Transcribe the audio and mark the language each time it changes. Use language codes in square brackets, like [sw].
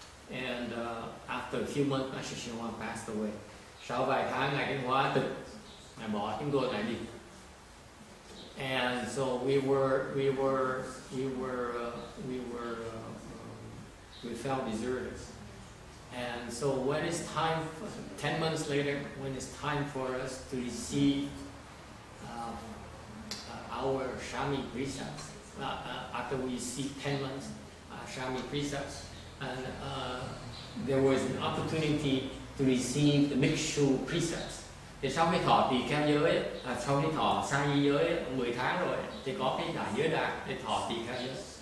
[en] And after a few months, Master Shenhua passed away. [vi] Sau vài tháng, Ngài Kinh Hóa tự, Ngài bỏ chúng tôi lại đi. [en] And so we felt deserted. And so when it's time, 10 months later, when it's time for us to receive our Shami precepts, after we receive 10 months Shami precepts, and there was an opportunity to receive the Mikshu precepts. [vi] Thì sau khi thọ tỳ kheo giới, sau khi thọ sa di giới 10 tháng rồi thì có cái đại giới đạt để thọ tỳ kheo giới.